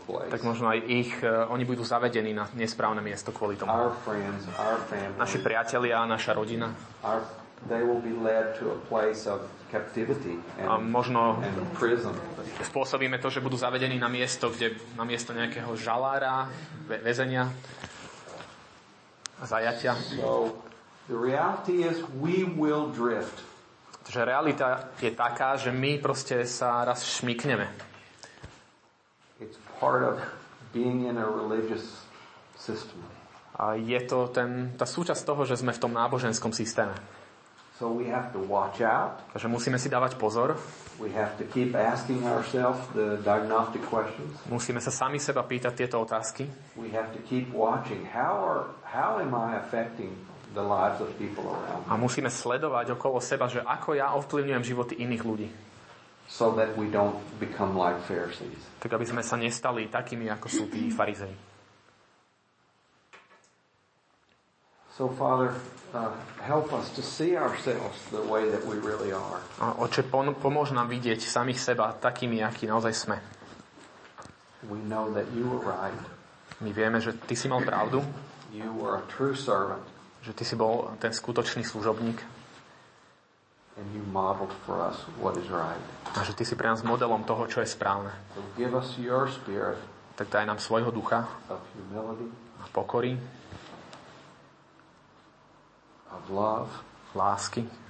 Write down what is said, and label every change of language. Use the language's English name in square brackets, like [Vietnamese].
[Slovak] Tak možno aj ich, oni budú zavedení na nesprávne miesto kvôli tomu. [English] Our friends, our family, [Slovak] naši priatelia, naša rodina. [English] They will be led to a place of captivity and prison. [Slovak] Spôsobíme to, že budú zavedení na miesto, kde na miesto nejakého žalára, väzenia, zajatia. [English] So, the reality is we will drift. [Slovak] Že realita je taká, že my proste sa raz šmykneme. [English] It's part of being in a religious system. [Slovak] A je to tá súčasť toho, že sme v tom náboženskom systéme. [English] So we have to watch out. [Slovak] Takže musíme si dávať pozor. [English] We have to keep asking ourselves the diagnostic questions. [Slovak] Musíme sa sami seba pýtať tieto otázky. [English] We have to keep watching how am I affecting the lives of people around. [Slovak] A musíme sledovať okolo seba, že ako ja ovplyvňujem životy iných ľudí. [English] So that we don't become like Pharisees. [Slovak] Tak aby sme sa nestali takými, ako sú tí farizei. [English] So Father, help us to see ourselves the way that we really are. [Slovak] A Oče, pomôž nám vidieť samých seba takými, akí naozaj sme. [English] We know that you were right. [Slovak] My vieme, že ty si mal pravdu. [English] You were a true servant. [Slovak] Že ty si bol ten skutočný služobník. [English] And you modeled for us what is right. [Slovak] A že ty si pre nás modelom toho, čo je správne. [English] So give us your spirit. [Slovak] Tak daj nám svojho ducha. [English] Of humility. [Slovak] A pokory. [English] Of love. [Slovak] Lásky.